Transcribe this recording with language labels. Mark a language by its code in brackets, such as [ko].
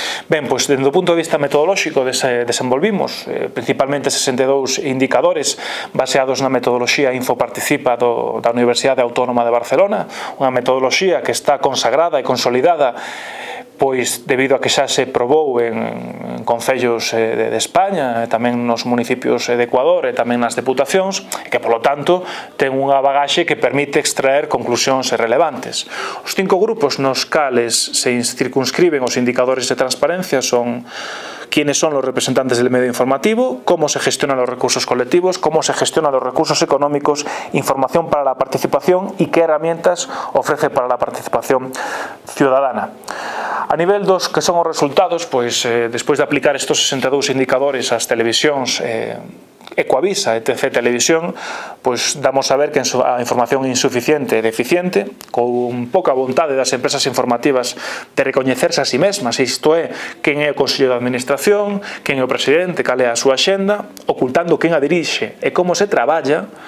[gl] Ben, pois, dende o punto de vista metodolóxico, desenvolvimos principalmente 62 indicadores baseados na metodoloxía InfoParticipa da Universidade Autónoma de Barcelona, unha metodoloxía que está consagrada e consolidada pois debido a que xa se probou en concellos de España, tamén nos municipios de Ecuador e tamén nas deputacións, que, polo tanto, ten unha bagaxe que permite extraer conclusións relevantes. Os 5 grupos nos cales se circunscriben os indicadores de transparencia son [es] quiénes son los representantes del medio informativo, cómo se gestionan los recursos colectivos, cómo se gestionan los recursos económicos, información para la participación y qué herramientas ofrece para la participación ciudadana. [gl] A nivel dos, que son os resultados, pois, despois de aplicar estes 62 indicadores ás televisións Ecuavisa, ETC Televisión, pois damos a ver que a información é insuficiente e deficiente, con poca vontade das empresas informativas de recoñecerse a sí mesmas, isto é, quen é o Consello de Administración, quen é o presidente, cal é a súa axenda, ocultando quen a dirixe e como se traballa